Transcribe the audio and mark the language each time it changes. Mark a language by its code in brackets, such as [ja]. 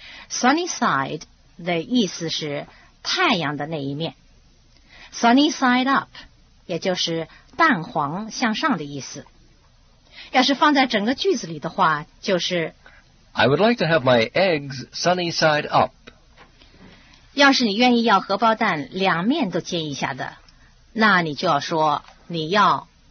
[zh] Sunny side 的意思是太阳的那一面， Sunny side up 也就是蛋黄向上的意思。要是放在整个句子里的话，就是 [en] I would like to have my eggs sunny side up. [zh] 要是你愿意要荷包蛋两面都煎一下的，那你就要说你要